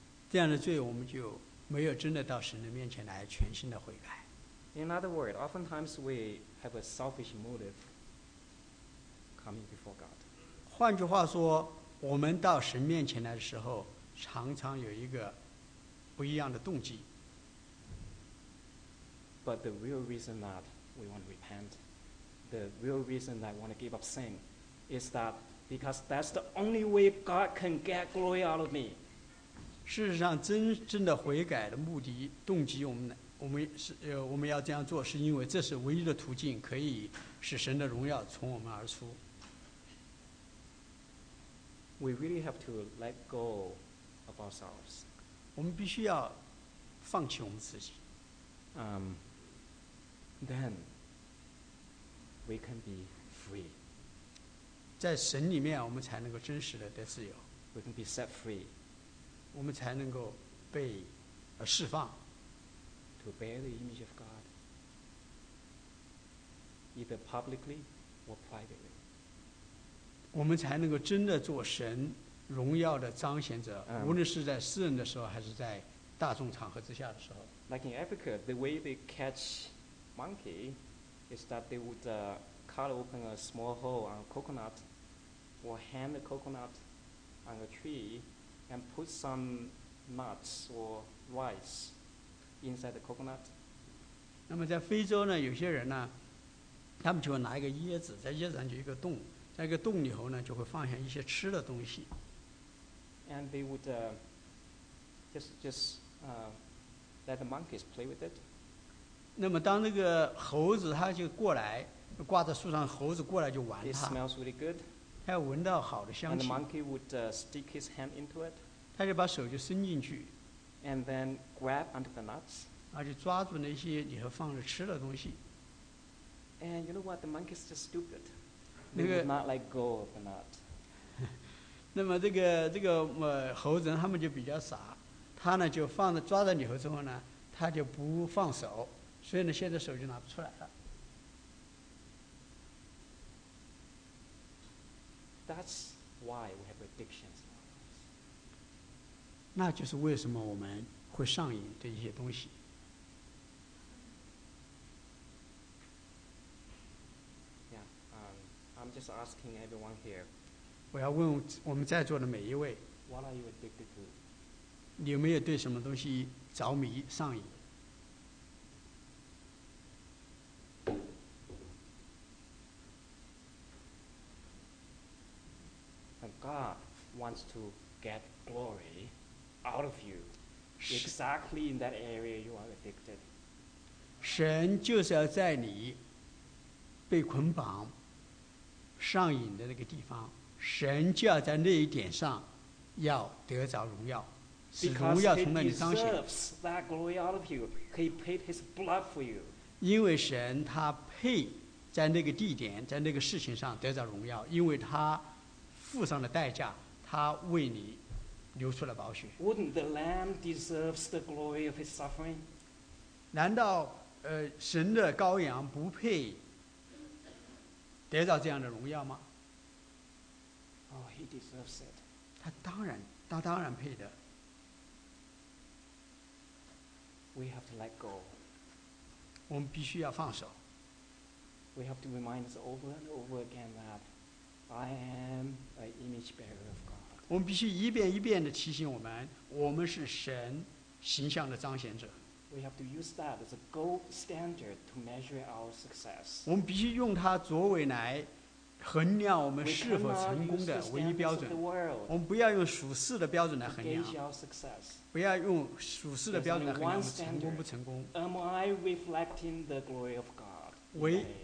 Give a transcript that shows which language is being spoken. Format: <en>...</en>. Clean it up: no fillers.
<zh>这样的罪我们就没有真的到神的面前来全心的悔改。</zh> <en>In other words, oftentimes we have a selfish motive coming before God.</en> <zh>换句话说，我们到神面前来的时候，常常有一个不一样的动机。</zh> <en>But the real reason that we want to repent, the real reason that we want to give up sin, is that because that's the only way God can get glory out of me.</en> <zh>事实上，真正的悔改的目的动机，我们要这样做，是因为这是唯一的途径，可以使神的荣耀从我们而出。</zh> <en>We really have to let go of ourselves.</en> <zh>我们必须要放弃我们自己。</zh> <en>Then we can be free.</en> <zh>在神里面，我们才能够真实的得自由。</zh> <en>We can be set free.</en> <zh>我们才能够被释放。</zh> <en>To bear the image of God, either publicly or privately.</en> <zh>我们才能够真的做神荣耀的彰显者，无论是在世人的时候，还是在大众场合之下的时候。</zh> <en>Like in Africa, the way they catch monkey is that they would cut open a small hole on a coconut, or hang a coconut on a tree, and put some nuts or rice. Inside the coconut.</en> <zh>那么在非洲呢，有些人呢，他们就会拿一个椰子，在椰子上就一个洞，在一个洞里头呢，就会放下一些吃的东西。</zh> <en>And they would just let the monkeys play with it.</en> <zh>那么当那个猴子它就过来，挂在树上，猴子过来就玩它。</zh> <en>It smells really good.</en> <zh>它要闻到好的香气。</zh> <en>And the monkey would stick his hand into it.</en> <zh>它就把手就伸进去。</zh> <en>And then grab under the nuts.</en> <zh>而且抓住那些里头放着吃的东西。</zh> <en>And you know what? The monkeys just stupid. They would not let go of the nut.</en> <zh>那么这个猴子他们就比较傻，他呢就放在抓在里头之后呢，他就不放手，所以呢现在手就拿不出来了。</zh> <en>That's why we have addictions.</en> <zh>那就是为什么我们会上瘾对一些东西。</zh> <en>Yeah, I'm just asking everyone here.</en> <zh>我要问我们在座的每一位。</zh> <en>What are you addicted to?</en> <zh>你有没有对什么东西着迷上瘾？</zh> <en>And God wants to get glory. Out of you, exactly in that area you are addicted.</en> <zh>神就是要在你被捆绑、上瘾的那个地方，神就要在那一点上要得着荣耀，使荣耀从那里彰显。</zh> <en>Because he deserves that glory out of you, he paid his blood for you.</en> <zh>因为神他配在那个地点、在那个事情上得着荣耀，因为他付上了代价，他为你。流出了宝血。</zh> <en>Wouldn't the Lamb deserve the glory of his suffering?</en> <zh>难道神的羔羊不配得到这样的荣耀吗？</zh> <en>Oh, he deserves it.</en> <zh>他当然配的。</zh> <en>We have to let go.</en> <zh>我们必须要放手。</zh> <en>We have to remind us over and over again that I am an image bearer of God.</en> <zh>我们必须一遍一遍地提醒我们，我们是神形象的彰显者。</zh> <en>We have to use that as a gold standard to measure our success.</en> <zh>我们必须用它作为来衡量我们是否成功的唯一标准。我们不要用属世的标准来衡量。不要用属世的标准来衡量我们成功不成功。</zh> <en>Am I reflecting the glory of God?</en>